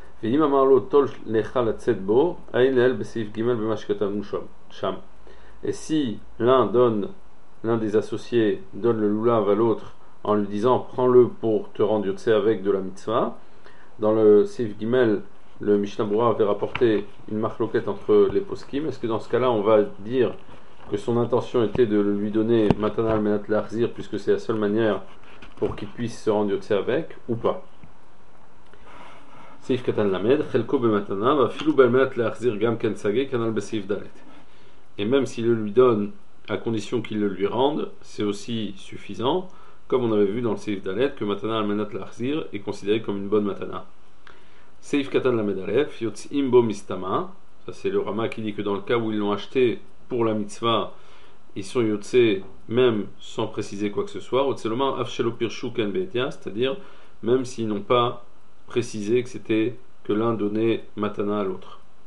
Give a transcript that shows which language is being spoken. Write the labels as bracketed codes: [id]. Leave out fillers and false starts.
[fr] Et si l'un des associés donne le loulav à l'autre en lui disant prends-le pour te rendre yotze avec de la mitzvah, dans le Sif Gimel, le Mishnah Brura avait rapporté une machloket entre les poskim. Est-ce que dans ce cas-là, on va dire que son intention était de lui donner [he] matana al menat l'arzir, [fr] puisque c'est la seule manière pour qu'il puisse se rendre yotze avec, ou pas? [he] סעיף קטן למד, חלקו במתנה, ואפילו באמת להחזיר גם כן סגי, כנל בסעיף דלת. [fr] Et même s'il le lui donne, à condition qu'il le lui rende, c'est aussi suffisant, comme on avait vu dans le סעיף דלת, que [he] מתנה על מנת להחזיר [fr] est considéré comme une bonne מתנה. [he] סעיף קטן למד אלף, יוצאים בו מסתמה, [fr] ça c'est le Rama qui dit que dans le cas où ils l'ont acheté pour la mitzvah, ils sont yotzés même sans préciser quoi que ce soit, [he] יוצא לומר, אף שלא פירשו כן בעטיה, [fr] c'est-à-dire, même s'ils n'ont pas préciser que c'était que l'un donnait matana à l'autre.